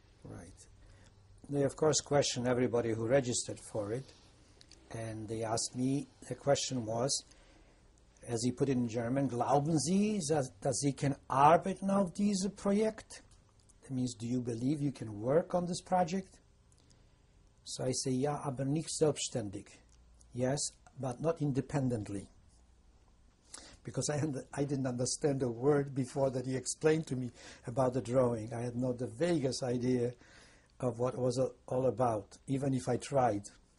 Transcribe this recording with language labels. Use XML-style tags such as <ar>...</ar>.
<en>Right. They, of course, questioned everybody who registered for it, and they asked me, the question was, as he put it in German,</en> <de>glauben Sie, dass Sie can arbeiten auf dieses Projekt?</de> <en>That means, do you believe you can work on this project? So I say,</en> <de>ja, aber nicht selbstständig.</de> <en>Yes, but not independently. Because I didn't understand a word before that he explained to me about the drawing. I had not the vaguest idea of what it was all about, even if I tried.</en>